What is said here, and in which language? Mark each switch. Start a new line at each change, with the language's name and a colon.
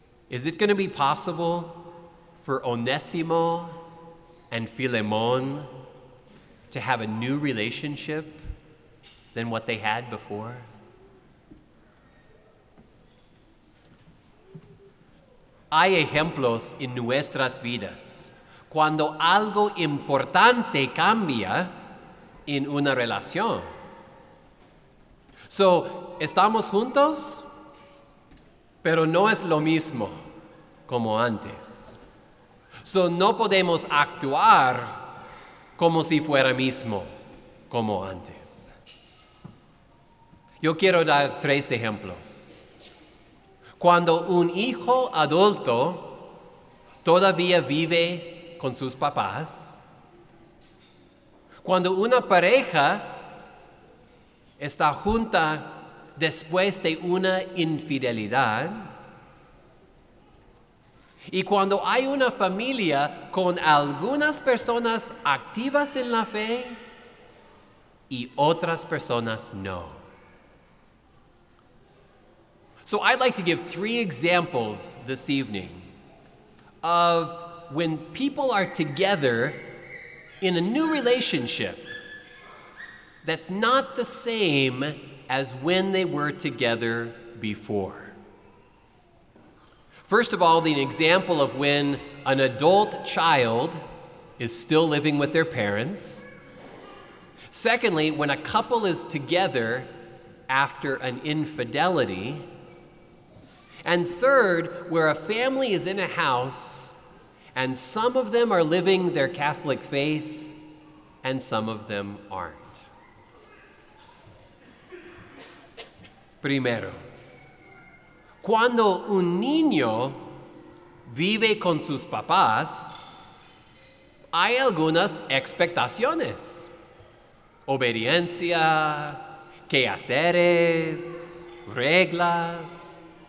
English: Is it going to be possible for Onesimo and Philemon to have a new relationship than what they had before?
Spanish: Hay ejemplos en nuestras vidas cuando algo importante cambia en una relación. So, ¿estamos juntos? Pero no es lo mismo como antes. So no podemos actuar como si fuera mismo como antes. Yo quiero dar tres ejemplos. Cuando un hijo adulto todavía vive con sus papás, cuando una pareja está junta después de una infidelidad, y cuando hay una familia con algunas personas activas en la fe y otras personas no.
English: So I'd like to give three examples this evening of when people are together in a new relationship that's not the same as when they were together before. First of all, the example of when an adult child is still living with their parents. Secondly, when a couple is together after an infidelity. And third, where a family is in a house and some of them are living their Catholic faith and some of them aren't.
Spanish: Primero, cuando un niño vive con sus papás, hay algunas expectaciones. Obediencia, quehaceres, reglas.